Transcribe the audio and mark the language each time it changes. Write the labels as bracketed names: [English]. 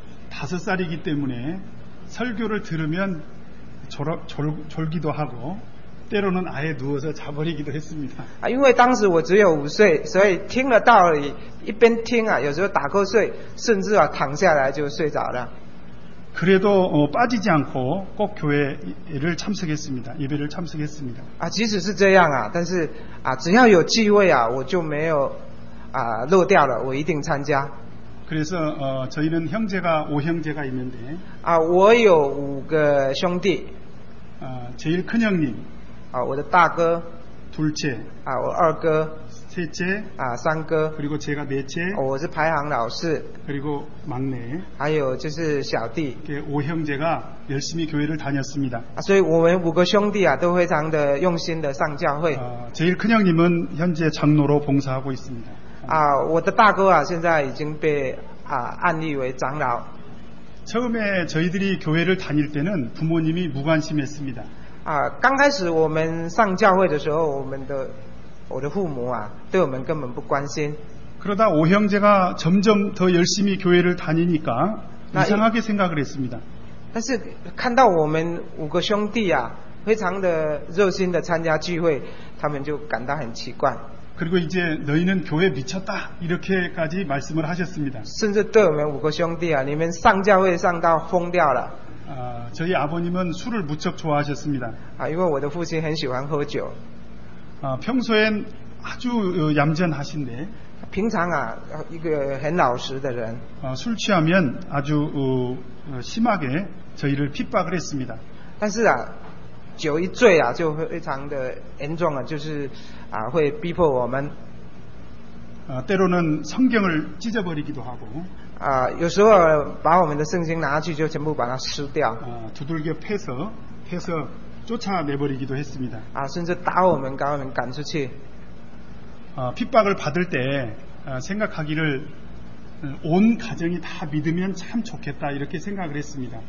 [Korean] 다섯살이기때문에설교를들으면 졸기도하고때로는아예누워서자버리기도했습니다 [Chinese] 아因为当时我只有五岁所以听了道理一边听啊有时候打瞌睡甚至啊躺下来就睡着了 [Korean] 그래도빠지지않고꼭교회를참석했습니다예배를참석했습니다 [Chinese] 아即使是这样啊但是啊只要有机会啊我就没有啊漏掉了我一定参加 [Korean] 그래서저희는형제가오형제가있는데 [Chinese] 아我有五个兄弟 [Korean] 아제일큰형님 [Chinese] 아我的大哥 [Korean] 둘째 [Chinese] 아我二哥 [Korean] 셋째 [Chinese] 아三哥 [Korean] 그리고제가넷째 [Chinese] 我是排行老四 [Korean] 그리고막내 [Chinese] 还有就是小弟 [Korean] 오형제가열심히교회를다녔습니다 [Chinese] 아所以我们五个兄弟啊都非常的用心的上教会 [Korean] 제일큰형님은현재장로로봉사하고있습니다 [Chinese] 아我的大哥啊现在已经被啊安立为长老 [Korean] 처음에저희들이교회를다닐때는부모님이무관심했습니다 [Chinese] 아刚开始我们上教会的时候我们的我的父母啊对我们根本不关心 [Korean] 그러다오형제가점점더열심히교회를다니니까이상하게생각을했습니다 [Chinese] 但是看到我们五个兄弟啊非常的热心的参加聚会他们就感到很奇怪 [Korean] 그리고이제너희는교회미쳤다이렇게까지말씀을하셨습니다 [Chinese] 甚至对我们五个兄弟啊你们上教会上到疯掉了 [Korean] 저희아버님은술을무척좋아하셨습니다 [Chinese] 아因为我的父亲很喜欢喝酒 [Korean] 평소엔아주얌전하신데 [Chinese] 平常啊一个很老实的人 [Korean] 술취하면아주심하게저희를핍박을했습니다 [Chinese] 但是啊酒一醉啊就非常的严重啊就是啊会逼迫我们 [Korean] 때로는성경을찢어버리기도하고 [Chinese] 啊有时候把我们的圣经拿去就全部把它撕掉 [Korean] 두들겨패서해서쫓아내버리기도했습니다 [Chinese] 아甚至打我们把我们赶出去 [Korean] 핍박을받을때생각하기를온가정이다믿으면참좋겠다이렇게생각을했습니다